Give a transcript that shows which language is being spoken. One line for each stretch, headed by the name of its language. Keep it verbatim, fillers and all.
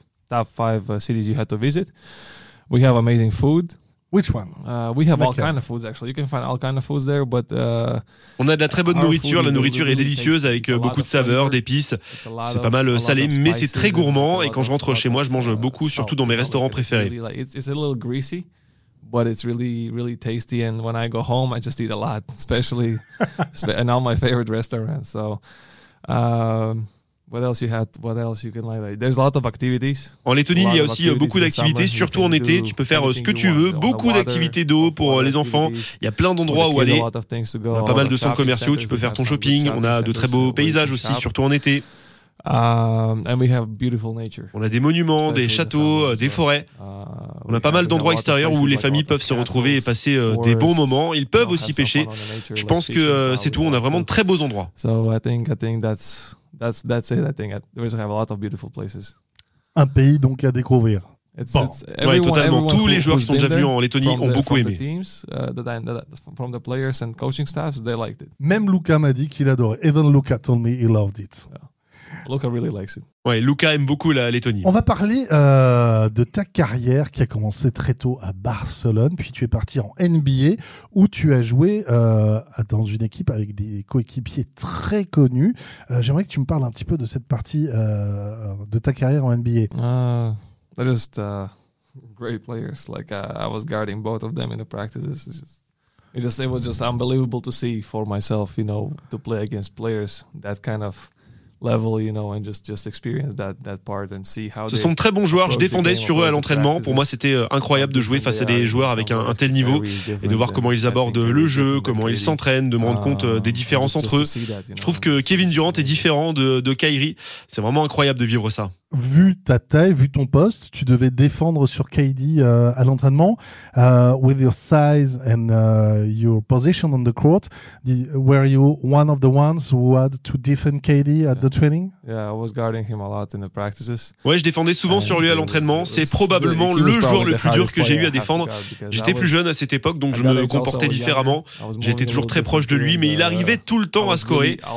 English: Top five uh, cities you had to visit. We have amazing food. Which one? Uh, we have like all that. Kind of foods actually. You can find all kind of foods there, but uh,
French: on a de la très bonne nourriture. La nourriture est délicieuse avec beaucoup de saveurs, d'épices. C'est pas mal salé, mais c'est très gourmand. Et quand je rentre chez moi, je mange beaucoup, surtout dans mes restaurants préférés.
English: It's a little greasy, but it's really, really tasty. And when I go home, I just eat a lot, especially in all my favorite restaurants. So. Um, What else you had? What else you can like? There's a lot of activities.
French: En Lettonie, il y a aussi beaucoup d'activités, surtout en été. Tu peux faire ce que tu veux. Beaucoup d'activités d'eau pour les enfants. Il y a plein d'endroits où aller. On a pas mal de centres commerciaux. Tu peux faire ton shopping. On a de très beaux paysages aussi, surtout en été.
English: Um, and we have beautiful nature.
French: On a des monuments, des châteaux, des forêts. On a pas mal d'endroits extérieurs où les familles peuvent se retrouver et passer des bons moments. Ils peuvent aussi pêcher. Je pense que c'est tout. On a vraiment de très beaux endroits.
English: So I think I think that's That's that's it. I think we have a lot of beautiful places.
French: Un pays donc à découvrir.
English: It's, bon. it's everyone,
French: ouais, totalement. Tous les joueurs qui sont déjà venus en Lettonie ont beaucoup aimé.
English: Teams, uh, that I, that, from the players and coaching staffs, they liked it.
French: Même Luca m'a dit qu'il adorait.
English: Even Luca told me he loved it. Yeah. Luca really likes it.
French: Ouais, Luca aime beaucoup la Lettonie. On va parler euh, de ta carrière qui a commencé très tôt à Barcelone, puis tu es parti en N B A où tu as joué euh, dans une équipe avec des coéquipiers très connus. Euh, j'aimerais que tu me parles un petit peu de cette partie euh, de ta carrière en N B A.
English: Uh, they're just uh, great players. Like uh, I was guarding both of them in the practices. It's just... It, just, it was just unbelievable to see for myself, you know, to play against players that kind of level, you know, and just just experience that that part and see how.
French: Ce sont de très bons joueurs. Je défendais sur eux à l'entraînement. Pour moi, c'était incroyable de jouer face à des joueurs avec un, un tel niveau et de voir comment ils abordent le jeu, comment ils s'entraînent, de me rendre compte des différences entre eux. Je trouve que Kevin Durant est différent de de Kyrie. C'est vraiment incroyable de vivre ça. Vu ta taille, vu ton poste, tu devais défendre sur K D euh, à l'entraînement.
English: Uh, with your size and uh, your position on the court, the, were you one of the ones who had to defend K D at yeah. the training? Yeah, I was guarding him a lot in the practices.
French: Ouais, je défendais souvent sur lui à l'entraînement. C'est probablement le joueur le plus dur que j'ai eu à défendre. J'étais plus jeune à cette époque, donc je me comportais différemment. J'étais toujours très proche de lui, mais il arrivait tout le temps à scorer.